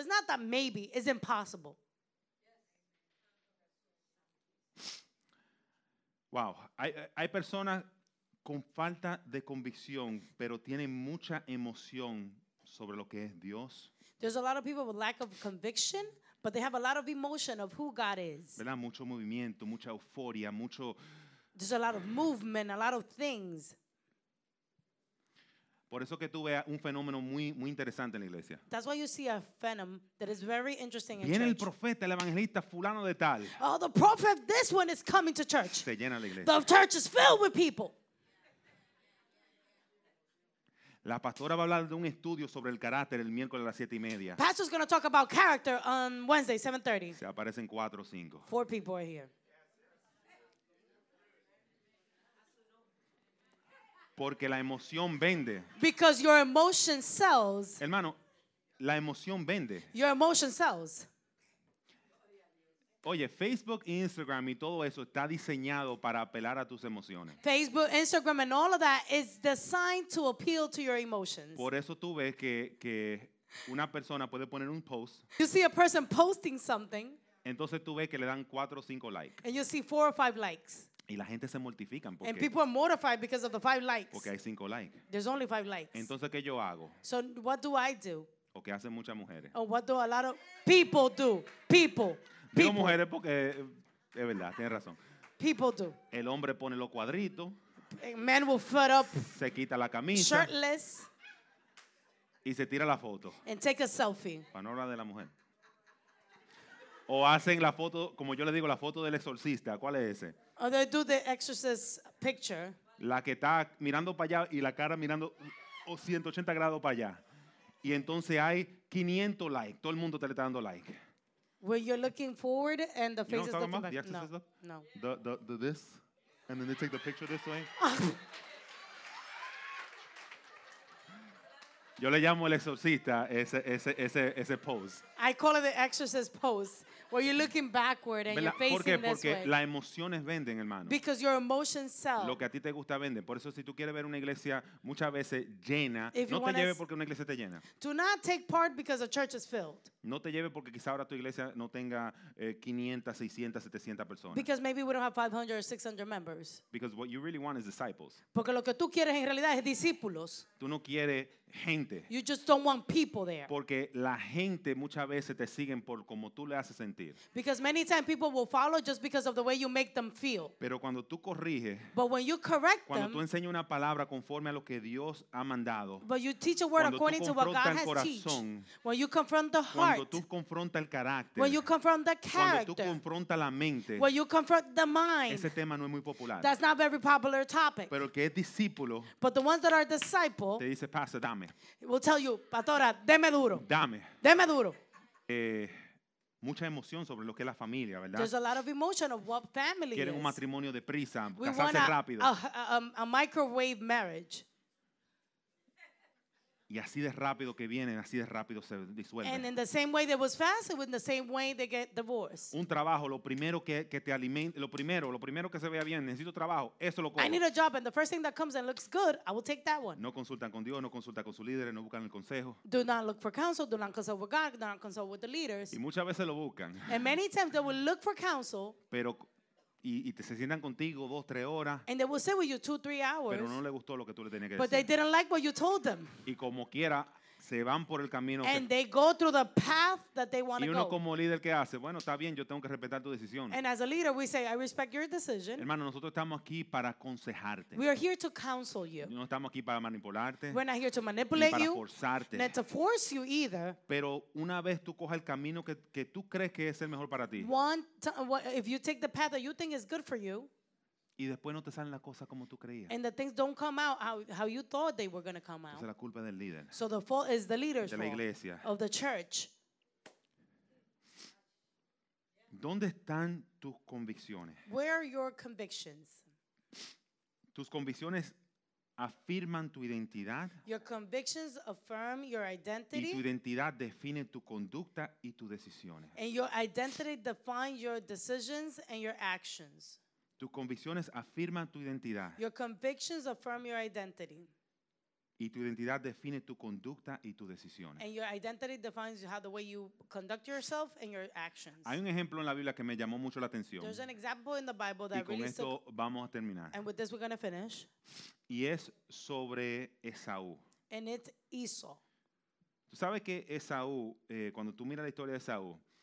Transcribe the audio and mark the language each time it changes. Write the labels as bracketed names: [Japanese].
[English] It's not that maybe, it's impossible. [Spanish] Wow, hay personas con falta de convicción, pero tienen mucha emoción sobre lo que es Dios. [English] There's a lot of people with lack of conviction. But they have a lot of emotion of who God is. [Spanish] ¿Verdad? Mucho movimiento, mucha euforia, mucho. [English] There's a lot of movement, a lot of things. [Spanish] Por eso que tú veas un fenómeno muy, muy interesante en la iglesia. [English] That's why you see a phenomenon that is very interesting [Spanish] viene [English] in church. [Spanish] El profeta, el evangelista, fulano de tal. [English] Oh, the prophet, this one is coming to church. [Spanish] Se llena la iglesia. [English] The church is filled with people. [Spanish] La pastora va a hablar de un estudio sobre el carácter el miércoles a las 7:30. [English] Pastor's going to talk about character on Wednesday, 7:30. [Spanish] Se aparecen 4 o 5. [English] 4 people are here. [Spanish] Porque la emoción vende. [English] Because your emotion sells. [Spanish] Hermano, la emoción vende. [English] Your emotion sells. [Spanish] Oye, Facebook, Instagram y todo eso está diseñado para apelar a tus emociones. [English] Facebook, Instagram and all of that is designed to appeal to your emotions. [Spanish] Por eso tú ves que una persona puede poner un post. [English] You see a person posting something. [Spanish] Entonces tú ves que le dan 4 o 5 likes. [English] And you see 4 or 5 likes. [Spanish] Y la gente se mortifican porque. [English] And people are mortified because of the 5 likes. [Spanish] Porque hay 5 likes. [English] There's only 5 likes. [Spanish] Entonces, ¿qué yo hago? [English] So what do I do? [Spanish] O qué hacen muchas mujeres. [English] Or what do a lot of people do? People. [Spanish] Digo mujeres porque es verdad, tienes razón. [English] People do. [Spanish] El hombre pone los cuadritos. [English] A man will foot up. [Spanish] Se quita la camisa. [English] Shirtless. [Spanish] Y se tira la foto. [English] And take a selfie. [Spanish] Para no hablar de la mujer. O hacen la foto, como yo le digo, la foto del exorcista. ¿Cuál es ese? [English] Or they do the exorcist picture. [Spanish] La que está mirando para allá y la cara mirando 180 grados para allá. Y entonces hay 500 likes. Todo el mundo te le está dando like. [English] Where you're looking forward and the face you know is looking back. No. The, the this. And then they take the picture this way. [Spanish] Yo le llamo el exorcista ese pose. [English] I call it the exorcist pose, where you're looking backward and you're facing [Spanish] ¿por qué? [English] This [Spanish] porque [English] way. [Spanish] Porque las emociones venden, hermano. [English] Because your emotions sell. [Spanish] Lo que a ti te gusta vende. Por eso si tú quieres ver una iglesia muchas veces llena, if no te lleve porque una iglesia te llena. [English] Do not take part because a church is filled. [Spanish] No te lleve porque quizá ahora tu iglesia no tenga 500, 600, 700 personas. [English] Because maybe we don't have 500 or 600 members. Because what you really want is disciples. [Spanish] Porque lo que tú quieres en realidad es discípulos. Tú no quieres gente. [English] You just don't want people there. [Spanish] Porque la gente muchas veces te siguen por como tú le haces sentir. [English] Because many times people will follow just because of the way you make them feel. [Spanish] Pero cuando tú corriges. [English] But when you correct [Spanish] cuando [English] them. [Spanish] Cuando tú enseñas una palabra conforme a lo que Dios ha mandado. [English] But you teach a word according to what God has [Spanish] corazón, [English] teach. When you confront the heart. [Spanish] Cuando tú confrontas el carácter, [English] when you confront the character, [Spanish] cuando tú confrontas la mente, [English] when you confront the mind, [Spanish] ese tema no es muy popular. [English] That's not a very popular topic. [Spanish] Pero el que es discípulo, [English] but the ones that are disciples, [Spanish] te dice, pastor, dame. [English] Will tell you, [Spanish] pastora, deme duro. Dame. Deme duro. Mucha emoción sobre lo que es la familia, ¿verdad? [English] There's a lot of emotion of what family is. [Spanish] Quieren un matrimonio de prisa, [English] we [Spanish] casarse rápido. [English] A microwave marriage. [Spanish] Y así de rápido que vienen, así de rápido se disuelven. [English] And in the same way that was fast, in the same way they get divorced. [Spanish] Un trabajo, lo primero que te alimenta, lo primero que se vea bien, necesito trabajo, eso lo cojo. [English] I need a job and the first thing that comes and looks good, I will take that one. [Spanish] No consultan con Dios, no consultan con sus líderes, no buscan el consejo. [English] Do not look for counsel, do not consult with God, do not consult with the leaders. [Spanish] Y muchas veces lo buscan. [English] And many times they will look for counsel. [Spanish] Pero y se sientan contigo 2-3 horas. [English] And they will sit with you 2-3 hours. [Spanish] Pero no le gustó lo que tú le tenías que [English] but [Spanish] decir. [English] But they didn't like what you told them. [Spanish] Y como quiera, se van por el camino. [English] And [Spanish] que [English] they go through the path that they want to go. [Spanish] Y uno como líder, ¿qué hace? Bueno, está bien, yo tengo que respetar tu decisión. [English] And as a leader, we say, I respect your decision. [Spanish] Hermano, nosotros estamos aquí para aconsejarte. [English] We are here to counsel you. [Spanish] No estamos aquí para manipularte. [English] We're not here to manipulate [Spanish] para [English] you. [Spanish] Para forzarte. [English] Not to force you either. [Spanish] Pero una vez tú cojas el camino que tú crees que es el mejor para ti. [English] If you take the path that you think is good for you. [Spanish] Y después no te salen las cosas como tú creías. [English] And the things don't come out how you thought they were going to come out. [Spanish] Es la culpa del líder. [English] So the fault is the leader's [Spanish] de la iglesia. [English] Fault of the church. [Spanish] ¿Dónde están tus convicciones? [English] Where are your convictions? [Spanish] Tus convicciones afirman tu identidad. [English] Your convictions affirm your identity. [Spanish] Y tu identidad define tu conducta y tus decisiones. [English] And your identity defines your decisions and your actions. [Spanish] Tus convicciones afirman tu identidad. [English] Your convictions affirm your identity. [Spanish] Y tu identidad define tu conducta y tus decisiones. [English] And your identity defines how the way you conduct yourself and your actions. [Spanish] Hay un ejemplo en la Biblia que me llamó mucho la atención. [English] There's an example in the Bible that [Spanish] y con [English] really [Spanish] esto [English] took, [Spanish] vamos a terminar. [English] And with this we're going to finish. [Spanish] Y es sobre Esaú. [English] And it's Esau. [Spanish] Tú sabes que Esaú, cuando tú miras la historia de Esaú.